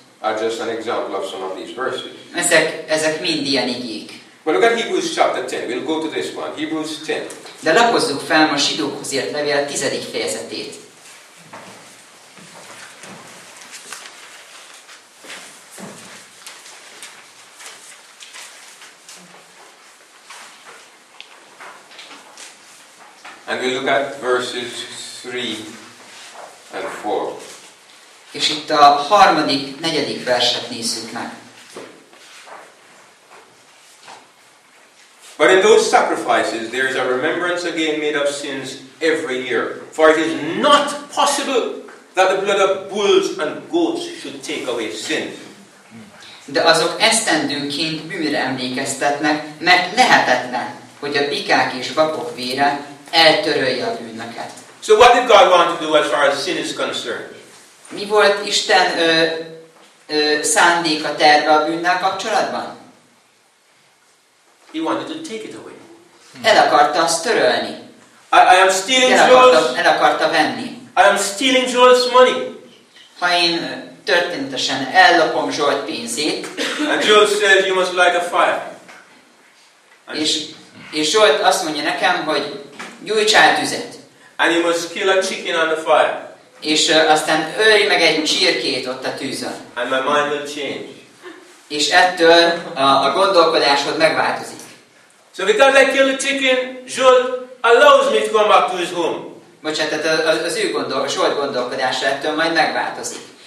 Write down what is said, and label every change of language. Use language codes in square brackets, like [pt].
[en] Are just an example of some of these verses. [hu] Ezek mind ilyen igék. [en] But look at Hebrews chapter 10. We'll go to this one. Hebrews 10. [hu] De lapozzuk fel a zsidókhoz írt levél 10. fejezetét. [en] And we look at verses 3 and 4. [hu] És itt a 3., 4. verset nézzük meg. [en] But in those sacrifices there is a remembrance again made of sins every year. For it is not possible that the blood of bulls and goats should take away sins. [hu] De azok esztendőnként bűnre emlékeztetnek, mert lehetetlen, hogy a bikák és vakok vére eltörölje a bűnöket. [en] So what did God want to do as far as sin is concerned? [hu] Mi volt Isten szándéka terve a bűnnel kapcsolatban? [en] He wanted to take it away. [hu] El akarta azt törölni. [en] I am stealing Joel's. [hu] El akarta venni. [en] I am stealing Joel's money. [hu] Ha én történetesen ellopom Joel pénzét. [en] And Joel says you must light a fire. [hu] És Joel azt mondja nekem, hogy gyújts át tüzet. [en] And you must kill a chicken on the fire. [hu] És aztán ölj meg egy csirkét ott a tűzön. [en] And my mind will change. [hu] És ettől a gondolkodásod megváltozik. [en] So because I killed the chicken, Joel allows me to come back to his home. [hu] Bocsánat, tehát az ő gondolkodása ettől majd megváltozik.